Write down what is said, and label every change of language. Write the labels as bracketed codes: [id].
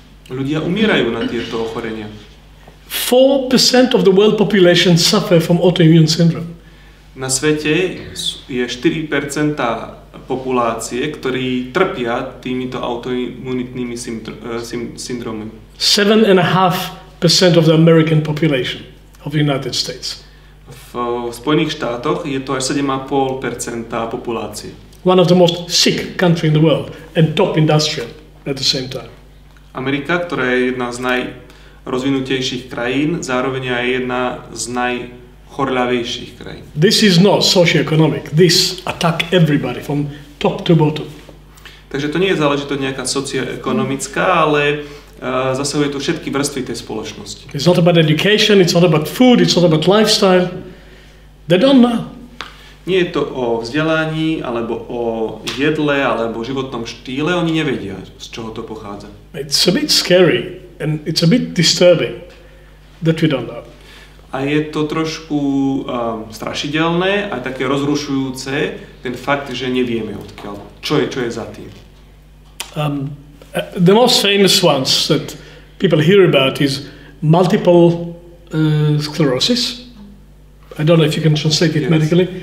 [sk] Ľudia umierajú na tieto ochorenia. [en] 4% of the world population suffer from autoimmune syndrome. [sk] Na svete je 4% populácie, ktorí trpia týmito autoimmunitnými syndromy. [en] 7.5% of the American population of the United States. [sk] V Spojených štátoch je to až 7.5% populácie. [en] One of the most sick country in the world and top industrial at the same time. [sk] Amerika, ktorá je jedna z najrozvinutejších krajín, zároveň aj jedna z najchorľavejších krajín. [en] This is not socio-economic. This attack everybody from top to bottom. [sk] Takže to nie je záležitosť nejaká socio-ekonomická, ale zasahuje to všetky vrstvy tej spoločnosti. [en] It's not about education, it's not about food, it's not about lifestyle. They don't know. [sk] Nie je to o vzdelaní, alebo o jedle, alebo životnom štýle. Oni nevedia, z čoho to pochádza. [en] It's a bit scary and it's a bit disturbing that we don't know. [sk] A je to trošku strašidelné a také rozrušujúce ten fakt, že nevieme odkiaľ. Čo je za tým? [en] The most famous ones that people hear about is multiple sclerosis. I don't know if you can translate it medically.